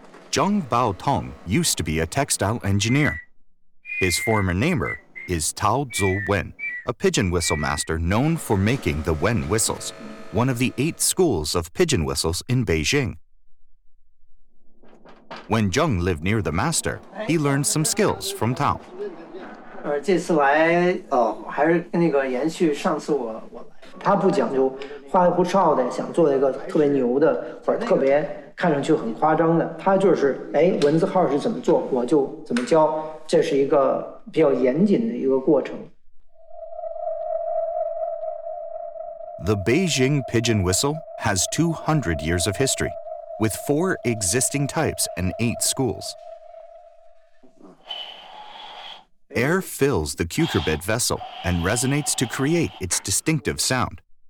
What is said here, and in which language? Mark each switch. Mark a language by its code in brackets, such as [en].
[en] Zhang Bao Tong used to be a textile engineer. His former neighbor is Tao Zhu Wen, a pigeon whistle master known for making the Wen whistles, one of the eight schools of pigeon whistles in Beijing. When Zhang lived near the master, he learned some skills from Tao. [zh] 这次来还是那个延续上次我来，他不讲究花里胡哨的，想做一个特别牛的或者特别看上去很夸张的，他就是哎，文字号是怎么做我就怎么教，这是一个比较严谨的一个过程。 [en] The Beijing pigeon whistle has 200 years of history, with 4 existing types and 8 schools. Air fills the cucurbit vessel and resonates to create its distinctive sound.